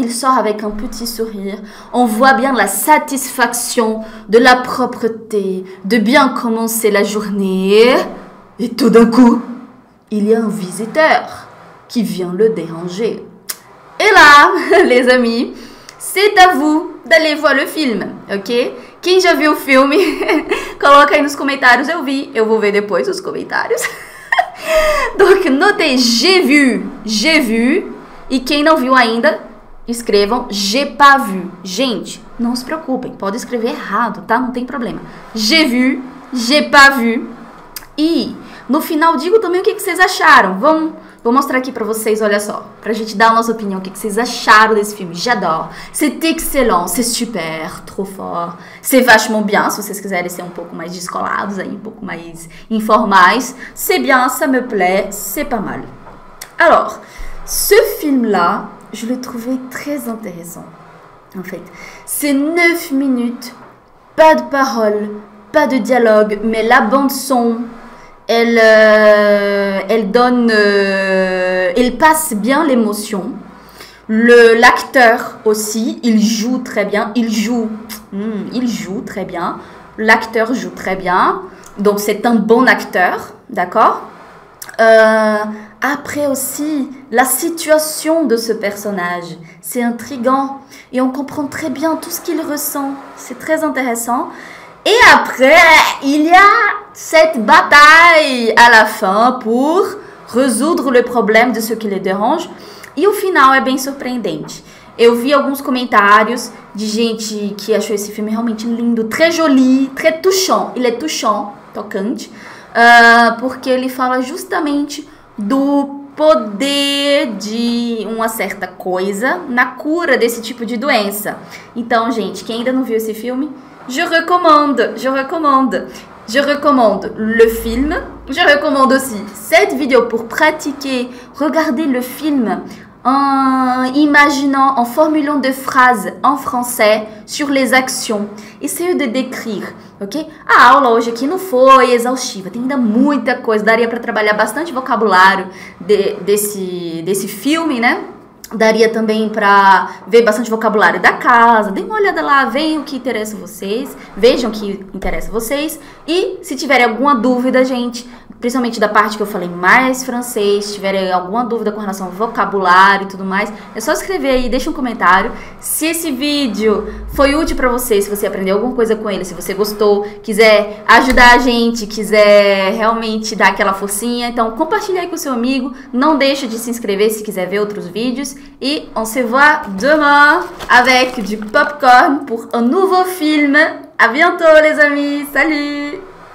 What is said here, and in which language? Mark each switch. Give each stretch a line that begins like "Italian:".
French: Il sort avec un petit sourire. On voit bien la satisfaction de la propreté, de bien commencer la journée. Et tout d'un coup, il y a un visiteur qui vient le déranger. Et là, les amis, c'est à vous d'aller voir le film, ok?
Portuguese: Quem já viu o filme, coloca aí nos comentários. Eu vi, eu vou ver depois os comentários.
French: Donc, notez, j'ai vu...
Portuguese: E quem não viu ainda, escrevam
French: j'ai pas vu.
Portuguese: Gente, não se preocupem, pode escrever errado, tá? Não tem problema.
French: J'ai vu, j'ai pas vu.
Portuguese: E no final digo também o que vocês acharam. Vou mostrar aqui pra vocês, olha só. Pra gente dar a nossa opinião, o que vocês acharam desse filme.
French: J'adore. C'est excellent, c'est super, trop fort. C'est vachement bien,
Portuguese: se vocês quiserem ser um pouco mais descolados aí, um pouco mais informais.
French: C'est bien, ça me plaît, c'est pas mal. Alors... Ce film-là, je l'ai trouvé très intéressant, en fait. C'est 9 minutes, pas de paroles, pas de dialogue, mais la bande-son, elle passe bien l'émotion. L'acteur aussi, il joue très bien, il joue très bien. L'acteur joue très bien, donc c'est un bon acteur, d'accord ? Après aussi, la situation de ce personnage, c'est intriguant et on comprend très bien tout ce qu'il ressent. C'est très intéressant. Et après, il y a cette bataille à la fin pour résoudre le problème de ce qui le dérange.
Portuguese: E o final é bem surpreendente. Eu vi alguns comentários de gente que achou esse filme realmente lindo,
French: très joli, très touchant. Il est touchant,
Portuguese: tocante, porque ele fala justamente do poder de uma certa coisa na cura desse tipo de doença. Então, gente, quem ainda não viu esse filme,
French: je recommande, je recommande. Je recommande le film. Je recommande aussi cette vidéo pour pratiquer, regarder le film en imaginant, en formulant des phrases en français sur les actions. Essayez de décrire, ok?
Portuguese: A aula hoje aqui não foi exaustiva, tem ainda muita coisa. Daria para trabalhar bastante vocabulário desse filme, né? Daria também para ver bastante vocabulário da casa. Dê uma olhada lá, vejam o que interessa vocês. Vejam o que interessa vocês. E se tiverem alguma dúvida, gente, principalmente da parte que eu falei mais francês, se tiverem alguma dúvida com relação ao vocabulário e tudo mais, é só escrever aí, deixa um comentário. Se esse vídeo foi útil para você, se você aprendeu alguma coisa com ele, se você gostou, quiser ajudar a gente, quiser realmente dar aquela forcinha, então compartilha aí com seu amigo. Não deixa de se inscrever se quiser ver outros vídeos.
French: E on se voit demain avec du popcorn pour un nouveau film. À bientôt, les amis. Salut!